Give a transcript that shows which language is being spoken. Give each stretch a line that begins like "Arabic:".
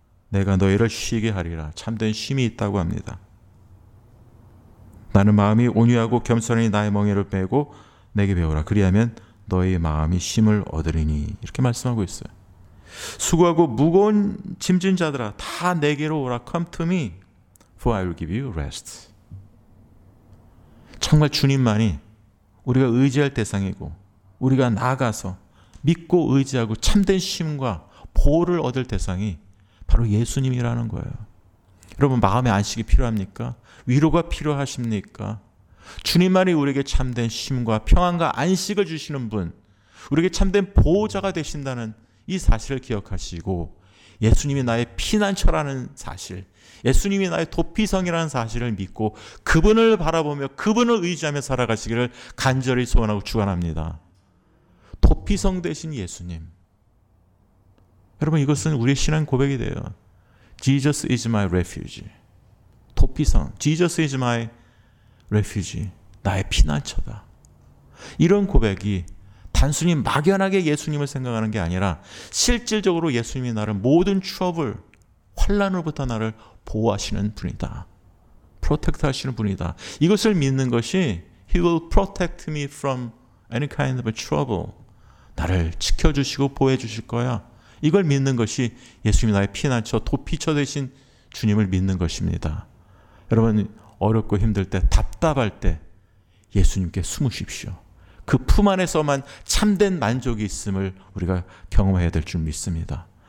Korean: 내가 너희를 쉬게 하리라. 참된 쉼이 있다고 합니다. 나는 마음이 온유하고 겸손히 나의 멍에를 빼고 내게 배우라. 그리하면 너희 마음이 쉼을 얻으리니 이렇게 말씀하고 있어요. 수고하고 무거운 짐진 자들아 다 내게로 오라.
English: Come to me for I will give you rest.
Korean: 정말 주님만이 우리가 의지할 대상이고 우리가 나아가서 믿고 의지하고 참된 쉼과 보호를 얻을 대상이 바로 예수님이라는 거예요. 여러분 마음의 안식이 필요합니까? 위로가 필요하십니까? 주님만이 우리에게 참된 쉼과 평안과 안식을 주시는 분, 우리에게 참된 보호자가 되신다는 이 사실을 기억하시고 예수님이 나의 피난처라는 사실, 예수님이 나의 도피성이라는 사실을 믿고 그분을 바라보며 그분을 의지하며 살아가시기를 간절히 소원하고 축원합니다. 도피성 되신 예수님. 여러분 이것은 우리의 신앙 고백이 돼요.
English: Jesus is my refuge. 도피성. Jesus is my refuge.
Korean: 나의 피난처다. 이런 고백이 단순히 막연하게 예수님을 생각하는 게 아니라 실질적으로 예수님이 나를 모든 트러블, 환난으로부터 나를 보호하시는 분이다. 프로텍트 하시는 분이다. 이것을 믿는 것이
English: He will protect me from any kind of trouble.
Korean: 나를 지켜주시고 보호해주실 거야. 이걸 믿는 것이 예수님이 나의 피난처, 도피처 되신 주님을 믿는 것입니다. 여러분 어렵고 힘들 때, 답답할 때 예수님께 숨으십시오. 그 품 안에서만 참된 만족이 있음을 우리가 경험해야 될 줄 믿습니다.